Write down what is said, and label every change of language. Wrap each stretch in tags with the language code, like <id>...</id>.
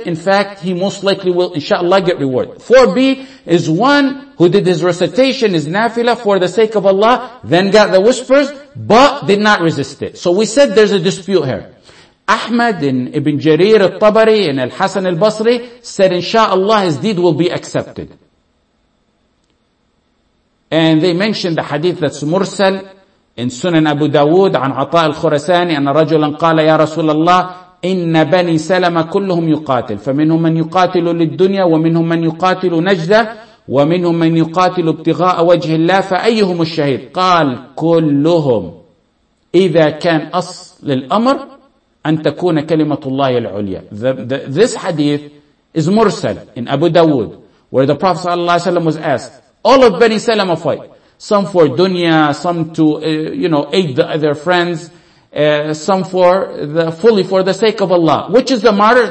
<en>In fact, he most likely will, inshallah, get reward. 4B is one who did his recitation, his nafilah, for the sake of Allah, then got the whispers, but did not resist it. So we said there's a dispute here. Ahmad and Ibn Jarir al-Tabari and al-Hasan al-Basri said, inshallah, his deed will be accepted. And they mentioned the hadith that's mursal in Sunan Abu Dawood</en> <ar>عن عطاء الخرساني أن رجلا قال يا رسول الله إن بني سلمة كلهم يقاتل فمنهم من يقاتل للدنيا ومنهم من يقاتل نجدة ومنهم من يقاتل ابتغاء وجه الله فأيهم الشهيد قال كلهم إذا كان أصل الأمر أن تكون كلمة الله العليا.</ar> <en>This hadith is mursal in Abu Dawood where the Prophet</en> <ar>صلى الله عليه وسلم</ar> <en>was asked, all of Bani Salama fight. Some for dunya, some to, aid the other friends, some for the, fully for the sake of Allah. Which is the martyr?</en>